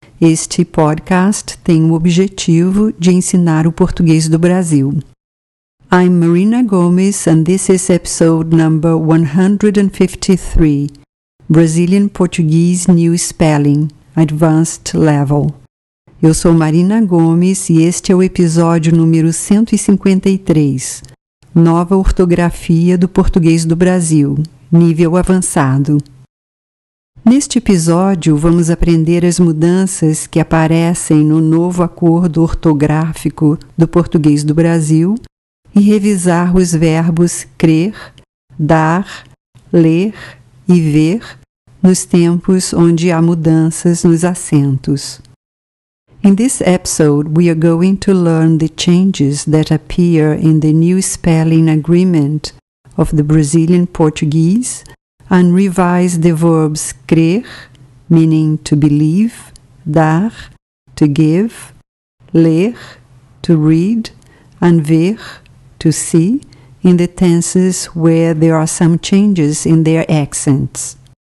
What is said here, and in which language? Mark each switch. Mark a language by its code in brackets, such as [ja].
[pt] Este podcast tem o objetivo de ensinar o português do Brasil. [en] I'm Marina Gomes and this is episode number 153, Brazilian Portuguese New Spelling, Advanced Level. [pt] Eu sou Marina Gomes e este é o episódio número 153, Nova Ortografia do Português do Brasil, Nível Avançado. Neste episódio, vamos aprender as mudanças que aparecem no novo Acordo Ortográfico do Português do Brasil e revisar os verbos crer, dar, ler e ver nos tempos onde há mudanças nos acentos. [en] In this episode, we are going to learn the changes that appear in the new spelling agreement of the Brazilian Portuguese and revise the verbs crer, meaning to believe, dar, to give, ler, to read, and ver, to see, in the tenses where there are some changes in their accents.